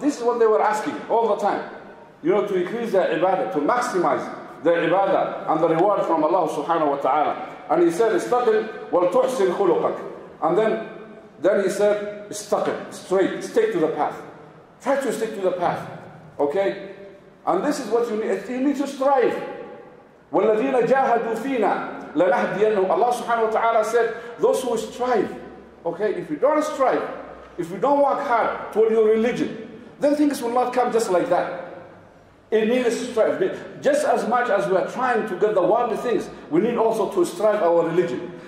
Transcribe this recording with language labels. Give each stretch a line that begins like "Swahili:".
English: This is what they were asking all the time. You know, to increase their ibadah, to maximize their ibadah and the reward from Allah subhanahu wa ta'ala. And he said,
Arabic: استقل ولتحسن خلقك.
English: And then he said, استقل, straight, stick to the path. Try to stick to the path, okay? And this is what you need to strive.
Arabic: والذين جاهدوا فينا لنهدينهم.
English: Allah subhanahu wa ta'ala said, those who strive, okay? If you don't strive, if you don't work hard toward your religion, then things will not come just like that. It needs strife. Just as much as we are trying to get the worldly things, we need also to strive our religion.